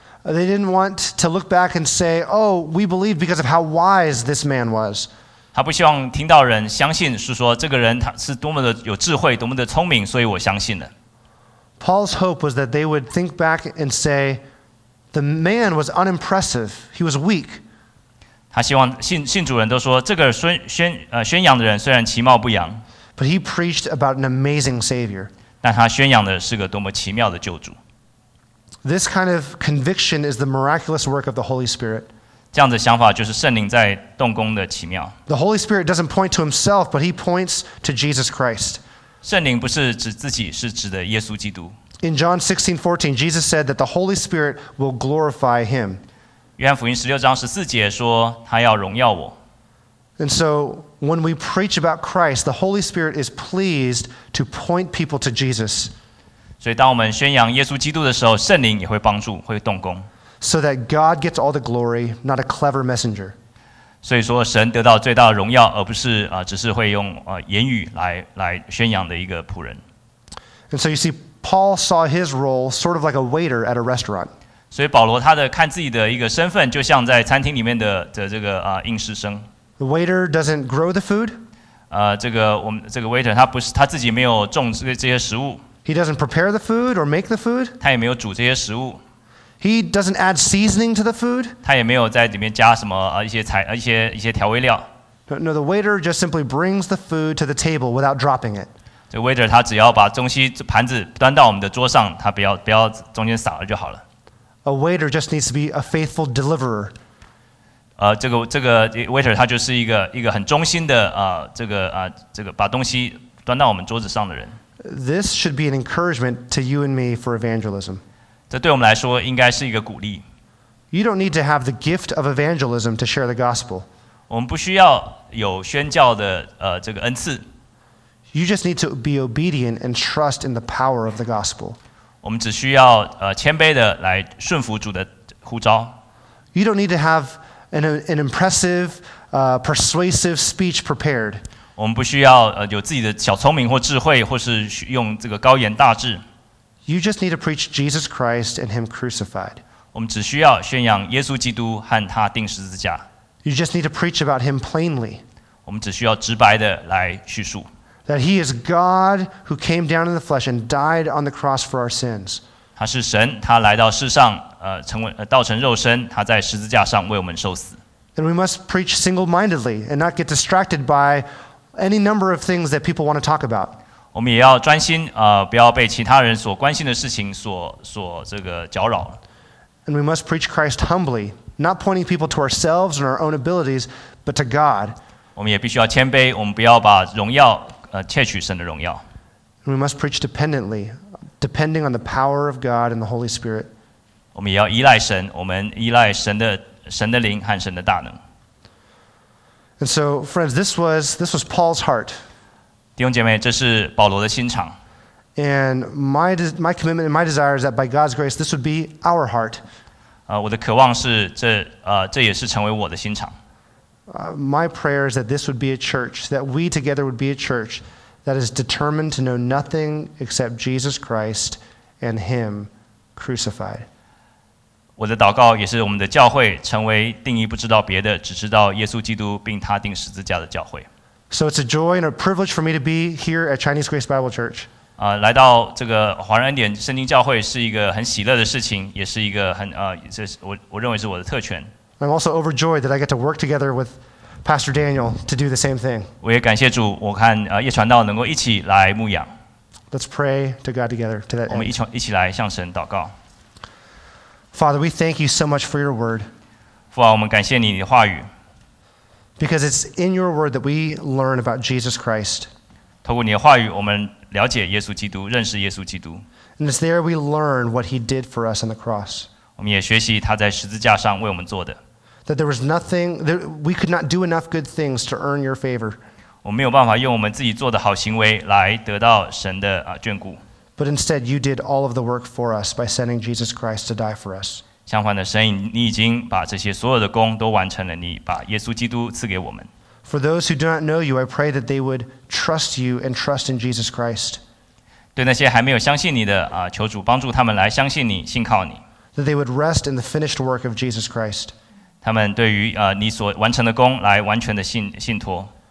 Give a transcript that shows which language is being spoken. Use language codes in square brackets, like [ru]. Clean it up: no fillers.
[en] They didn't want to look back and say, "Oh, we believe because of how wise this man was." [zh] 他不希望听到人相信是说这个人他是多么的有智慧，多么的聪明，所以我相信了。 [en] Paul's hope was that they would think back and say, "The man was unimpressive. He was weak." [zh] 他希望信主人都说这个宣扬的人虽然其貌不扬。 [en] But he preached about an amazing Savior. [zh] 但他宣扬的是个多么奇妙的救主。 [en] This kind of conviction is the miraculous work of the Holy Spirit. [zh] 这样的想法就是圣灵在动工的奇妙。 [en] The Holy Spirit doesn't point to himself, but he points to Jesus Christ. [zh] 圣灵不是指自己，是指的耶稣基督。 [en] In John 16:14, Jesus said that the Holy Spirit will glorify him. [zh] 约翰福音16章14节说，他要荣耀我。 [en] And so, when we preach about Christ, the Holy Spirit is pleased to point people to Jesus. [zh] 所以，当我们宣扬耶稣基督的时候，圣灵也会帮助，会动工。 [en] So that God gets all the glory, not a clever messenger. [zh] 所以说，神得到最大的荣耀，而不是只是会用言语来宣扬的一个仆人。 [en] And so you see, Paul saw his role sort of like a waiter at a restaurant. [zh] 所以保罗他的看自己的一个身份，就像在餐厅里面的这个应试生。 [en] The waiter doesn't grow the food. [zh] 这个 waiter 他不是他自己没有种这些食物。 [en] He doesn't prepare the food or make the food. [zh] 他也没有煮这些食物。 [en] He doesn't add seasoning to the food. [zh] 他也没有在里面加什么一些调味料。 [en] No, the waiter just simply brings the food to the table without dropping it. [zh] 这个 waiter 他只要把东西盘子端到我们的桌上，他不要中间撒了就好了。 [en] A waiter just needs to be a faithful deliverer. [zh] 这个 waiter 他就是一个很忠心的这个把东西端到我们桌子上的人。 [en] This should be an encouragement to you and me for evangelism. [zh] 这对我们来说应该是一个鼓励。 [en] You don't need to have the gift of evangelism to share the gospel. [zh] 我们不需要有宣教的这个恩赐。 [en] You just need to be obedient and trust in the power of the gospel. [zh] 我们只需要谦卑的来顺服主的呼召。 [en] You don't need to have an impressive, persuasive speech prepared. [zh] 我们不需要有自己的小聪明或智慧，或是用这个高言大志。 [en] You just need to preach Jesus Christ and Him crucified. [zh] 我们只需要宣扬耶稣基督和他钉十字架。 [en] You just need to preach about Him plainly. [zh] 我们只需要直白的来叙述。 [en] That He is God who came down in the flesh and died on the cross for our sins. [zh] 他是神，他来到世上。道成肉身，他在十字架上为我们受死。 [en] And we must preach single-mindedly and not get distracted by any number of things that people want to talk about. [zh] 我们也要专心，不要被其他人所关心的事情所这个搅扰。 [en] And we must preach Christ humbly, not pointing people to ourselves and our own abilities, but to God. [zh] 我们也必须要谦卑，我们不要把荣耀窃取神的荣耀。 [en] And we must preach dependently, depending on the power of God and the Holy Spirit. [zh] 我们也要依赖神，我们依赖神的灵和神的大能。 [en] And so, friends, this was Paul's heart. [zh] 弟兄姐妹，这是保罗的心肠。 [en] And my commitment and my desire is that by God's grace, this would be our heart. [zh] 我的渴望是这也是成为我的心肠。 [en] My prayer is that this would be a church, that we together would be a church that is determined to know nothing except Jesus Christ and Him crucified. [zh] 我的祷告也是我们的教会成为定义不知道别的，只知道耶稣基督并他钉十字架的教会。 [en] So it's a joy and a privilege for me to be here at Chinese Grace Bible Church. [zh] 来到这个华人恩典圣经教会是一个很喜乐的事情，也是一个很这是我认为是我的特权。 [en] I'm also overjoyed that I get to work together with Pastor Daniel to do the same thing. [zh] 我也感谢主，我看叶传道能够一起来牧养。 [en] Let's pray to God together to that end. [zh] 我们一起来向神祷告。 [en] Father, we thank you so much for your word. [zh] 父啊，我们感谢你的话语。 [en] Because it's in your word that we learn about Jesus Christ. [zh] 透过你的话语，我们了解耶稣基督，认识耶稣基督。 [en] And it's there we learn what he did for us on the cross. [zh] 我们也学习他在十字架上为我们做的。 [en] That there was nothing, that we could not do enough good things to earn your favor. [zh] 我们没有办法用我们自己做的好行为来得到神的眷顾。 [en] But instead, you did all of the work for us by sending Jesus Christ to die for us. [zh] 相反的，神，你已经把这些所有的工都完成了，你把耶稣基督赐给我们。 [en] For those who do not know you, I pray that they would trust you and trust in Jesus Christ. [zh] 对那些还没有相信你的求主帮助他们来相信你，信靠你。 [en] That they would rest in the finished work of Jesus Christ. [zh] 他们对于你所完成的工来完全的信托。